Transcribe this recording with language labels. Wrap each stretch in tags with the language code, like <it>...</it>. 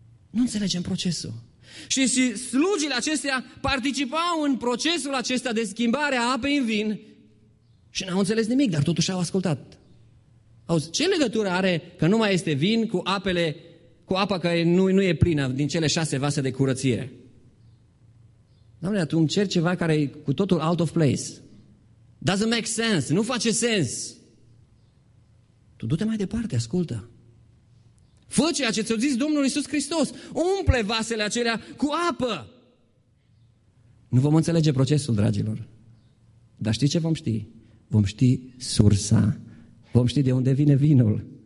<ro>Nu înțelegem procesul. Și slugile acestea participau în procesul acesta de schimbare a apei în vin și n-au înțeles nimic, dar totuși au ascultat. Auzi, ce legătură are că nu mai este vin cu apele, cu apa care nu e plină din cele 6 vase de curățire? Doamne, tu îmi ceri ceva care e cu totul</ro> <en>out of place. Doesn't make sense,</en> <ro>nu face sens. Tu du-te mai departe, ascultă. Fă ceea ce ți-a zis Domnul Iisus Hristos. Umple vasele acelea cu apă. Nu vom înțelege procesul, dragilor. Dar știi ce vom ști? Vom ști sursa. Vom ști de unde vine vinul.</ro>